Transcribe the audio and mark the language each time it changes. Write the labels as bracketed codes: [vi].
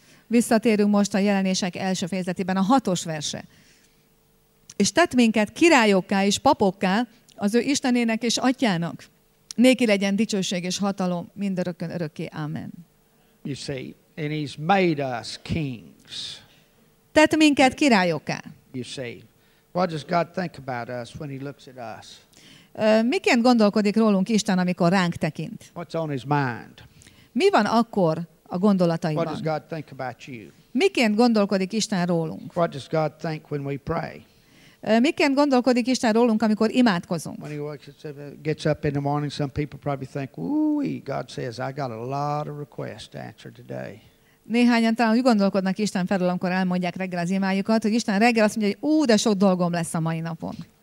[hu] Visszatérünk most a jelenések első fejezetében a hatos verse. És tett minket királyokká és papokká az ő Istenének és Atyának. Néki legyen dicsőség és hatalom mindörökön örökké. Amen. [en] You see, and he's made us kings. [hu] Tett minket királyokká. [en] You see, what does God think about us when he looks at us? [hu] Miként gondolkodik rólunk Isten, amikor ránk tekint? [en] What's on his mind? [hu] Mi van akkor a gondolataiban? [en] What does God think about you? [hu] Miként gondolkodik Isten rólunk? [en] What does God think when we pray? [hu] Miként gondolkodik Isten rólunk, amikor imádkozunk? [en] When he gets up in the morning, some people probably think, "Ooh, God says I got a lot of requests to answer today." [hu] Néhányan talán úgy gondolkodnak Isten felől, amikor elmondják reggel az imájukat, hogy Isten reggel azt mondja, hogy "Ú, de sok dolgom lesz a mai napon."